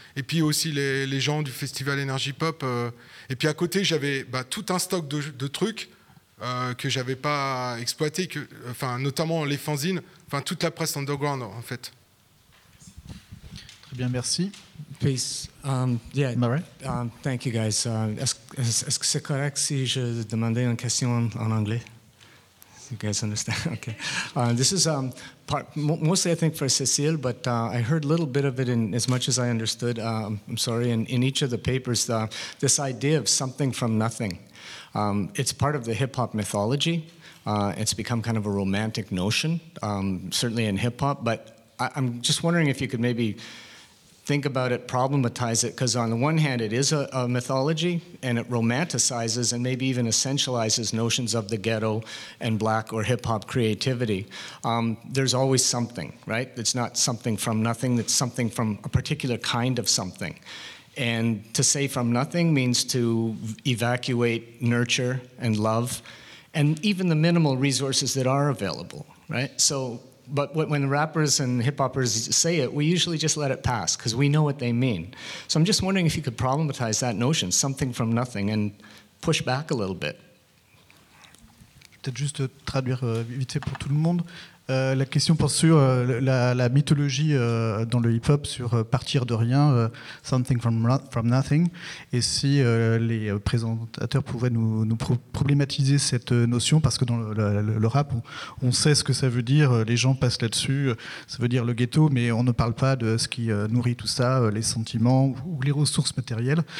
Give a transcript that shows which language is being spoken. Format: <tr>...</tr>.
<fr>Et puis aussi les gens du festival Energy Pop. Et puis à côté, j'avais tout un stock de trucs que je n'avais pas exploité, notamment les fanzines, toute la presse underground, en fait. Bien, merci.</fr> <en>Peace. Am I right? Thank you, guys.</en> <fr>Est-ce que c'est correct si je demandais une question en anglais?</fr> <en>You guys understand? Okay. This is mostly, I think, for Cécile, but I heard a little bit of it in as much as I understood. I'm sorry. In each of the papers, this idea of something from nothing, it's part of the hip-hop mythology. It's become kind of a romantic notion, certainly in hip-hop, but I'm just wondering if you could maybe think about it, problematize it, because on the one hand, it is a mythology, and it romanticizes and maybe even essentializes notions of the ghetto and black or hip-hop creativity. There's always something, right? It's not something from nothing, it's something from a particular kind of something. And to say from nothing means to evacuate nurture and love, and even the minimal resources that are available, right? So. But when rappers and hip-hoppers say it, we usually just let it pass because we know what they mean. So I'm just wondering if you could problematize that notion, something from nothing, and push back a little bit.</en> <fr>Peut-être juste traduire vite fait pour tout le monde. La question porte sur la mythologie dans le hip-hop sur partir de rien,</fr> <en>something from nothing,</en> <fr>et si les présentateurs pouvaient nous problématiser cette notion, parce que dans le rap, on sait ce que ça veut dire, les gens passent là-dessus, ça veut dire le ghetto, mais on ne parle pas de ce qui nourrit tout ça, les sentiments ou les ressources matérielles.</fr>